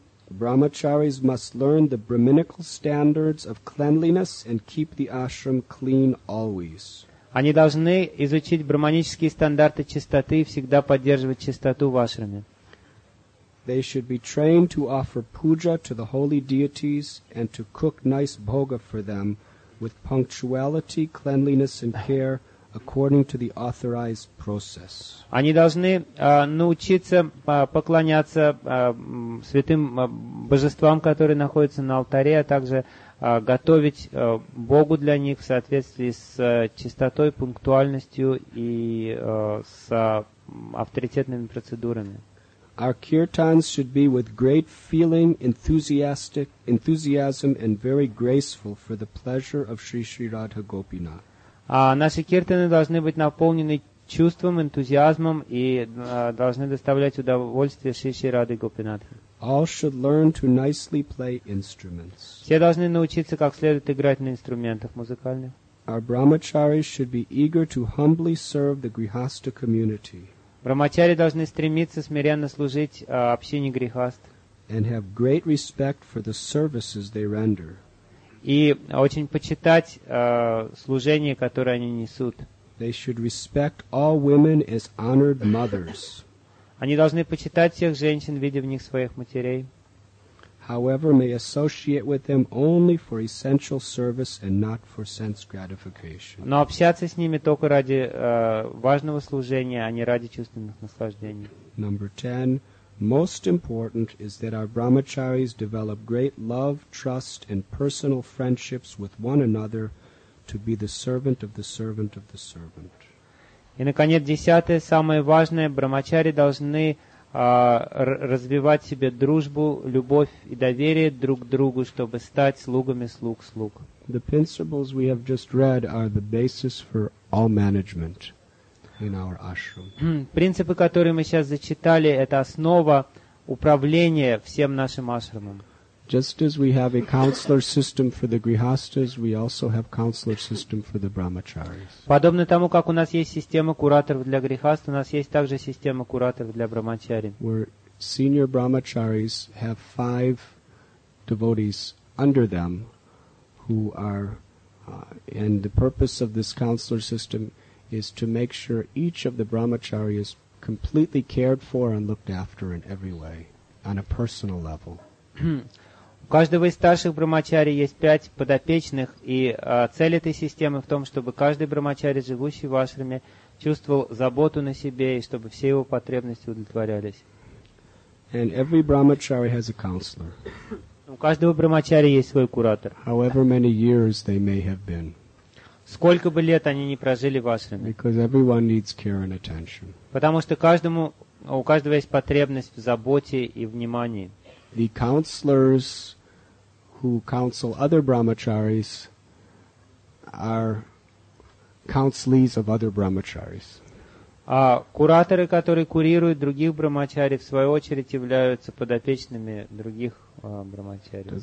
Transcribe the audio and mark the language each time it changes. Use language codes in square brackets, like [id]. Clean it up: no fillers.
[en] Brahmacharis must learn the brahminical standards of cleanliness and keep the ashram clean always. [ru] Они должны изучить брахманические стандарты чистоты и всегда поддерживать чистоту в ашраме. [en] They should be trained to offer puja to the holy deities and to cook nice bhoga for them with punctuality, cleanliness and care according to the authorized process. [ru] Они должны научиться поклоняться святым божествам, которые находятся на алтаре, а также готовить Богу для них в соответствии с чистотой, пунктуальностью и с авторитетными процедурами. [en] Our kirtans should be with great feeling, enthusiasm and very graceful for the pleasure of Sri Sri Radha Gopinath. [ru] Наши киртаны должны быть наполнены чувством, энтузиазмом и должны доставлять удовольствие Шри Шри Радхе Гопинатхе. [en] All should learn to nicely play instruments. [ru] Все должны научиться как следует играть на инструментах музыкальных. [en] Our brahmacharis should be eager to humbly serve the grihastha community. [ru] Брахмачари должны стремиться смиренно служить общине грихаст. [en] And have great respect for the services they render. [ru] И очень почитать служение, которое они несут. [en] They should respect all women as honored mothers. [ru] Они должны почитать всех женщин, видя в них своих матерей. [en] However, may associate with them only for essential service and not for sense gratification. [ru] Но общаться с ними только ради важного служения, а не ради чувственных наслаждений. [en] Number 10. Most important is that our brahmacharis develop great love, trust, and personal friendships with one another to be the servant of the servant of the servant. [ru] И, наконец, десятое, самое важное, брахмачари должны развивать в себе дружбу, любовь и доверие друг к другу, чтобы стать слугами слуг. [en] The principles we have just read are the basis for all management in our ashram. [ru] Принципы, которые мы сейчас зачитали, это основа управления всем нашим ашрамом. [en] Just as we have a counselor system for the grihasthas, we also have counselor system for the brahmacharis. [ru] Подобно тому, как у нас есть система кураторов для грихаст, у нас есть также система кураторов для брахмачари. [en] Where senior brahmacharis have five devotees under them, who are, and the purpose of this counselor system is to make sure each of the brahmacharis is completely cared for and looked after in every way, on a personal level. [ru] У каждого из старших брахмачари есть пять подопечных, и цель этой системы в том, чтобы каждый брахмачари, живущий в ашраме, чувствовал заботу на себе, и чтобы все его потребности удовлетворялись. [en] And every brahmachari has a counselor. [ru] У каждого брахмачари есть свой куратор. [en] However many years they may have been. [ru] Сколько бы лет они ни прожили в ашраме. [en] Because everyone needs care and attention. [ru] Потому что каждому, у каждого есть потребность в заботе и внимании. [en] The counselors who counsel other brahmacharis are counselees of other brahmacharis. [ru] А кураторы, которые курируют других брахмачари, в свою очередь являются подопечными других брахмачари.